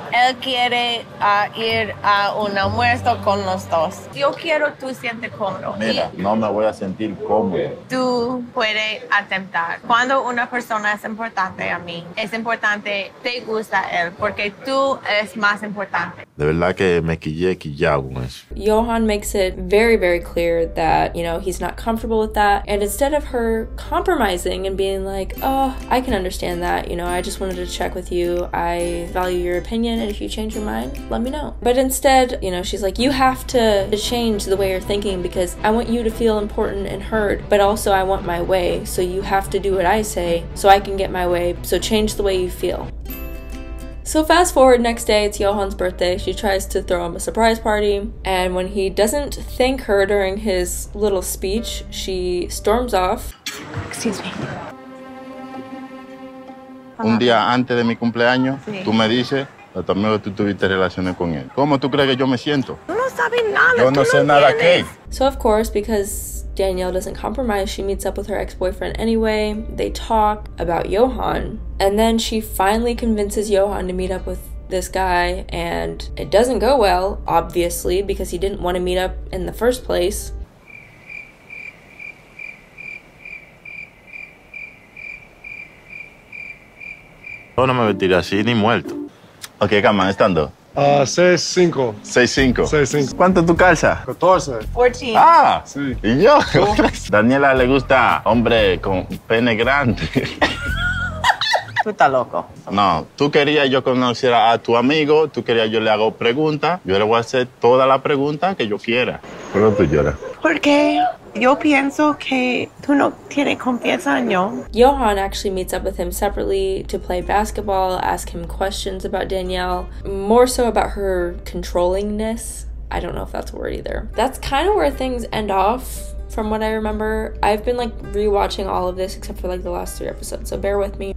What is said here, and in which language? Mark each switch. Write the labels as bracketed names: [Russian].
[Spanish] Él quiere ir a un almuerzo con los dos. Yo quiero tú sientes cómodo. Mira, y no me voy a sentir cómodo. Tú puedes atentar. Cuando una persona es importante a mí, es importante te gusta él porque tú es más importante. De verdad que me quillé, quillado con eso. [English] Johan makes it very, very clear that, you know, he's not comfortable with that. And instead of her compromising and being like, oh, I can understand that, you know, I just wanted to check with you. I value your opinion. And if you change your mind, let me know. But instead, you know, she's like, you have to change the way you're thinking because I want you to feel important and heard. But also I want my way. So you have to do what I say so I can get my way. So change the way you feel. So fast forward, next day, it's Johan's birthday. She tries to throw him a surprise party, and when he doesn't thank her during his little speech, she storms off. Excuse me. [Spanish] Un día antes de mi cumpleaños, sí. Tú me dices, a tu amigo tú tuviste relaciones con él. ¿Cómo tú crees que yo me siento? Tú no sabes nada. Yo no sé nada qué. [English] So of course, because Danielle doesn't compromise, she meets up with her ex-boyfriend anyway. They talk about Johan, and then she finally convinces Johan to meet up with this guy, and it doesn't go well, obviously, because he didn't want to meet up in the first place. [Spanish] Yo no me vestiré así ni muerto. Ok, cama, ¿estando? 6'5". 6'5". 6'5". ¿Cuánto tu calza? 14. 14. ¡Ah! Sí. ¿Y yo? Daniela le gusta hombre con pene grande. Tú estás loco. No, tú querías yo conociera a tu amigo, tú querías yo le hago preguntas, yo le voy a hacer toda la pregunta que yo quiera. ¿Por qué tú lloras? Porque yo pienso que tú no tienes confianza en yo. [English] Johan actually meets up with him separately to play basketball, ask him questions about Danielle, more so about her controllingness. I don't know if that's a word either. That's kind of where things end off. From what I remember, I've been like rewatching all of this except for like the last three episodes, so bear with me.